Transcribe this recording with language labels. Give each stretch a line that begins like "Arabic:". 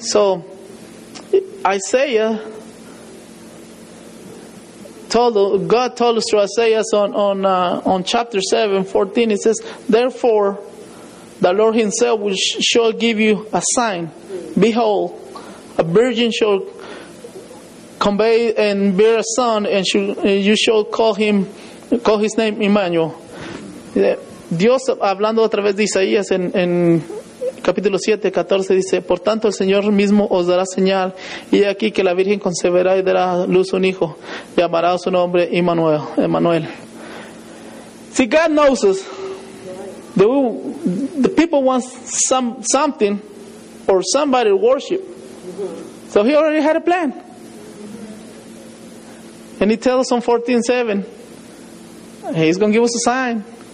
English: So Isaiah told, God told us through Isaiah on chapter 7, 14, it says, therefore, the Lord himself shall give you a sign. Behold, a virgin shall convey and bear a son, and you shall call his name Emmanuel.
Spanish: Dios, hablando a través de Isaías en capítulo 7, 14, dice, por tanto el Señor mismo os dará señal, y aquí que la Virgen concebirá y dará a luz un hijo, llamará su nombre Emmanuel.
English: Emmanuel. See, God knows us. The people want something or somebody to worship. So he already had a plan. And he tells us on 14:7, he's going to give us a sign.